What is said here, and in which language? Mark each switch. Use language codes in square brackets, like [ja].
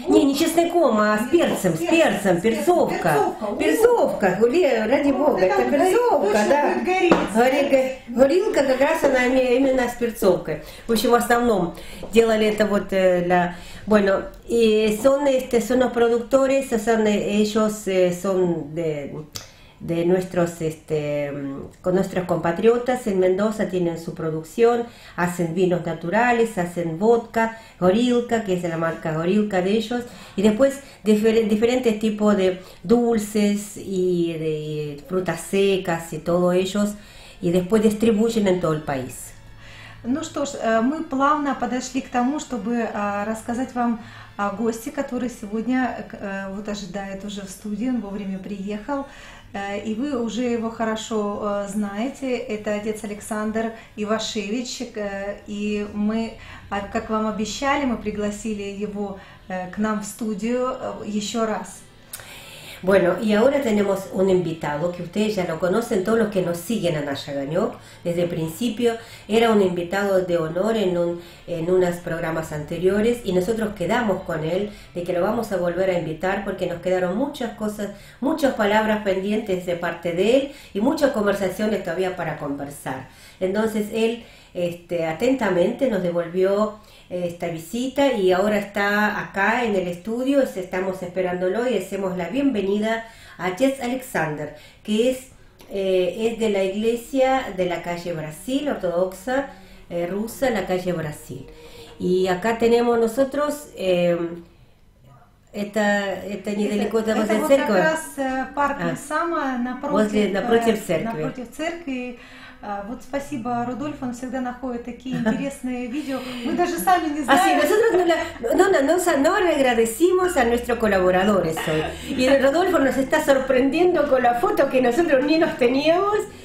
[ru] Не чесноком, а с перцем, перцовка. Перцовка, ради бога, это перцовка, да. Горилка как раз она именно с перцовкой. В общем, в основном делали это вот для... [es] Bueno, son los productores, ellos son de nuestros con nuestros compatriotas en Mendoza, tienen su producción, hacen vinos naturales, hacen vodka Gorilka, que es la marca Gorilka de ellos, y después diferentes tipos de dulces y de frutas secas y todo ellos, y después distribuyen en todo el país. [ru] Ну что ж, мы плавно подошли к тому, чтобы рассказать вам о гости, который сегодня вот ожидает уже в студии, он вовремя приехал. И вы уже его хорошо знаете, это отец Александр Ивашевич, и мы, как вам обещали, мы пригласили его к нам в студию еще раз. [es] Bueno, y ahora tenemos un invitado que ustedes ya lo conocen, todos los que nos siguen a Naya Ganyok, desde el principio era un invitado de honor en unos programas anteriores y nosotros quedamos con él de que lo vamos a volver a invitar porque nos quedaron muchas cosas, muchas palabras pendientes de parte de él y muchas conversaciones todavía para conversar. Entonces él atentamente nos devolvió esta visita y ahora está acá en el estudio, estamos esperándolo y hacemos la bienvenida a Jess Alexander, que es Es de la iglesia de la calle Brasil, ortodoxa rusa, la calle Brasil. Y acá tenemos nosotros esta [ru] недалеко это, возле это церкви. Это вот как раз парк Сама напротив церкви. Напротив церкви. Вот спасибо, Рудольф, он всегда находит такие интересные видео. Мы даже сами не знаем. [es] Así, nosotros no agradecemos a nuestros colaboradores hoy. Y Rodolfo nos está sorprendiendo con la foto que nosotros ni nos teníamos.